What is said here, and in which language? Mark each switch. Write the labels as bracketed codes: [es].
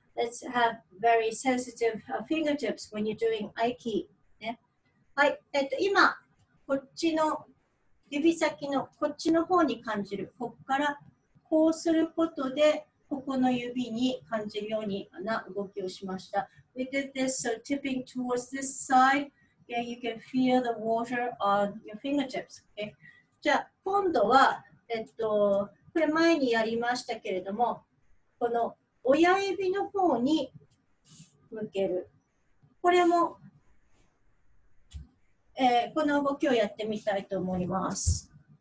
[en] Let's have very sensitive fingertips when you're doing Aiki.、 [ja] ね、はい、今、こっちの指先のこっちの方に感じる。こっからこうすることで、ここの指に感じるような動きをしました。 [en] We did this, so tipping towards this side. Yeah, you can feel the water on your fingertips.、Okay? [ja] じゃあ、今度は、これ前にやりましたけれども、この親指の方に向ける。これも、この動きをやってみたいと思います。